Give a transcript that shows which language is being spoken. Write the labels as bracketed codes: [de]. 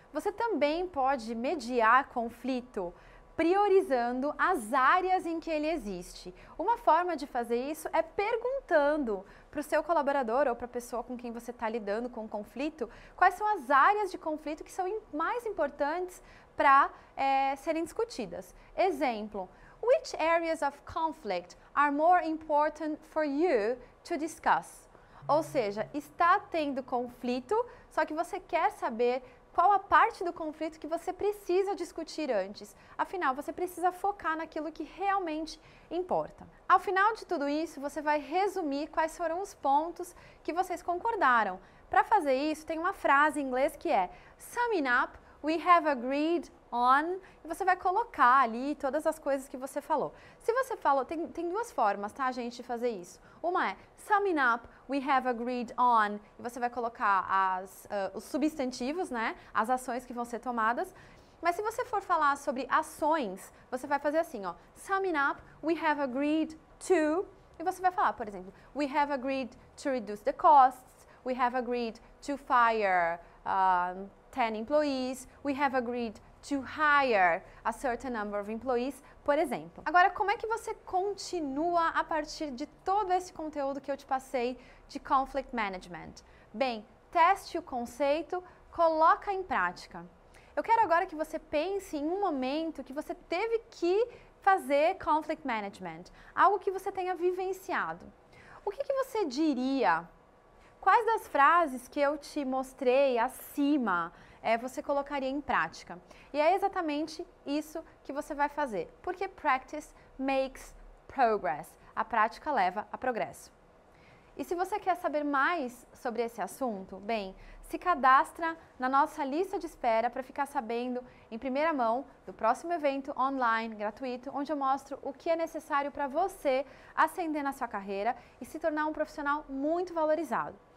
[pt] Você também pode mediar conflito priorizando as áreas em que ele existe. Uma forma de fazer isso é perguntando para o seu colaborador ou para a pessoa com quem você está lidando com o conflito, quais são as áreas de conflito que são mais importantes para serem discutidas. [en] Exemplo: Which areas of conflict are more important for you to discuss? [pt] Ou seja, está tendo conflito, só que você quer saber qual a parte do conflito que você precisa discutir antes. Afinal, você precisa focar naquilo que realmente importa. Ao final de tudo isso, você vai resumir quais foram os pontos que vocês concordaram. Para fazer isso, tem uma frase em inglês que é [en] Summing up, we have agreed on. [pt] E você vai colocar ali todas as coisas que você falou. Se você falou, tem duas formas, tá, gente, de fazer isso. Uma é [en] summing up, we have agreed on. [pt] E você vai colocar os substantivos, né, as ações que vão ser tomadas. Mas se você for falar sobre ações, você vai fazer assim, ó. [en] Summing up, we have agreed to. [pt] E você vai falar, por exemplo, [en] we have agreed to reduce the costs. We have agreed to fire 10 employees. We have agreed to hire a certain number of employees, [pt] por exemplo. Agora, como é que você continua a partir de todo esse conteúdo que eu te passei de conflict management? Bem, teste o conceito, coloca em prática. Eu quero agora que você pense em um momento que você teve que fazer conflict management, algo que você tenha vivenciado. O que, que você diria? Quais das frases que eu te mostrei acima você colocaria em prática? E é exatamente isso que você vai fazer. [en] Porque practice makes progress. [pt] A prática leva a progresso. E se você quer saber mais sobre esse assunto, bem, se cadastra na nossa lista de espera para ficar sabendo em primeira mão do próximo evento online gratuito, onde eu mostro o que é necessário para você ascender na sua carreira e se tornar um profissional muito valorizado.